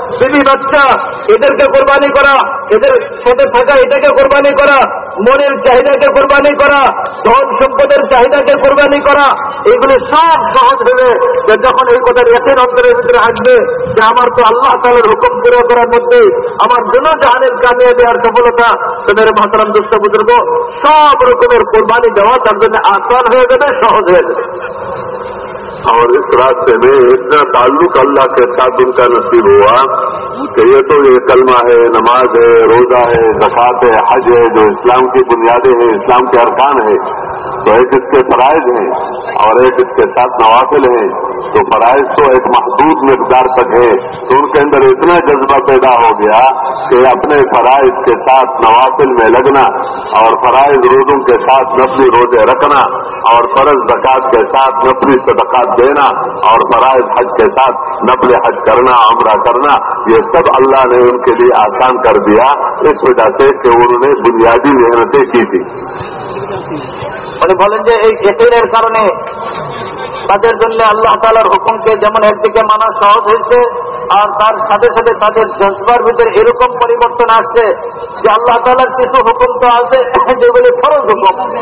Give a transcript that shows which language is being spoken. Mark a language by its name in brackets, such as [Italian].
[Bangla] বিবি বাচ্চা এদেরকে কোরবানি করা, এদের সাথে থাকা এটাকে কোরবানি করা, মনের চাহিদাকে কোরবানি করা, ধন সম্পদের চাহিদাকে কোরবানি করা, এগুলো সব সহজ হবে। যে যখন এই কথা ইয়াকিন অন্তরের ভিতরে আসবে যে আমার তো আল্লাহ তাআলার হুকুম পুরা করার মধ্যে আমার জন্য জাহানের কামিয়াবি আর সফলতা, তাদের মহতরম দোস্ত বুজুর্গ সব রকমের কোরবানি দেওয়া তার জন্য আসান হয়ে যাবে, সহজ হয়ে যাবে। [Urdu] اور اس راستے میں اتنا تعلق اللہ کے ساتھ ان کا نصیب ہوا کہ یہ تو یہ کلمہ ہے، نماز ہے، روزہ ہے، زکات ہے، حج ہے، جو اسلام کی بنیادیں ہیں، اسلام کے ارکان ہیں، تو ایک اس کے فرائض ہیں اور ایک اس کے ساتھ نوافل ہیں، تو فرائض تو ایک محدود مقدار تک ہے، تو ان کے اندر اتنا جذبہ پیدا ہو گیا کہ اپنے فرائض کے ساتھ نوافل میں لگنا اور فرائض روزوں کے ساتھ نفلی روزے رکھنا اور فرض زکات کے ساتھ نفلی صدقات دینا اور فرائض حج کے ساتھ نفل حج کرنا، عمرہ کرنا، یہ سب اللہ نے ان کے لیے آسان کر دیا اس وجہ سے کہ انہوں نے بنیادی محنتیں کی تھی۔ [Bangla] বলেন যে এই জেকাতের কারণে তাদের জন্য আল্লাহ তাআলার হুকুমকে যেমন একদিকে মানা সহজ হয়েছে আর তার সাথে সাথে তাদের জজবার ভিতরে এরকম পরিবর্তন আসছে যে আল্লাহ তাআলার কিছু হুকুম তো আছে যেগুলি ফরজ হুকুম,